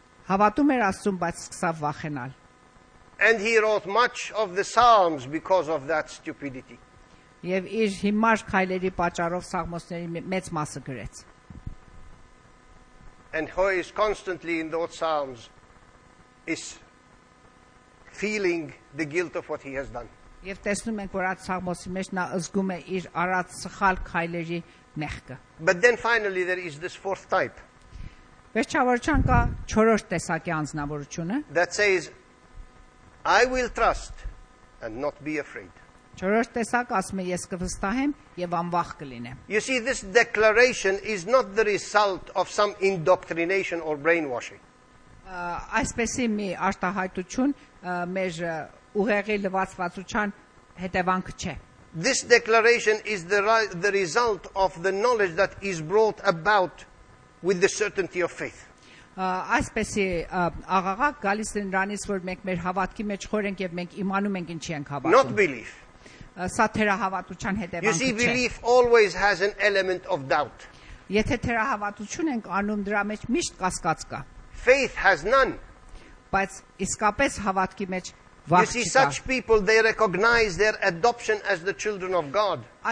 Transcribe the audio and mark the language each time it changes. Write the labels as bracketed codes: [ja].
[en] And he wrote much of the Psalms because of that stupidity. [hy] Եվ իր հիմար քայլերի պատճառով սաղմոսների մեծ մասը գրեց։ [en] And he is constantly in those psalms is feeling the guilt of what he has done. [hy] Եվ տեսնում ենք, որ այդ սաղմոսի մեջ նա ազգում է իր արած սխալ քայլերի մեղքը։ [en] But then finally there is this fourth type. [hy] Վերջավորության կա չորրորդ տեսակի անձնավորությունը։ [en] That says, I will trust and not be afraid. You see, this declaration is not the result of some indoctrination or brainwashing. This declaration is the result of the knowledge that is brought about with the certainty of faith. [hy] Այսպեսի աղաղակ գալիս է նրանից, որ մենք մեր հավատքի մեջ խոր ենք եւ մենք իմանում ենք ինչի ենք հավատում. [en] Not belief. You see, belief always has an element of doubt. Faith has none. You see, such people, they recognize their adoption as the children of God.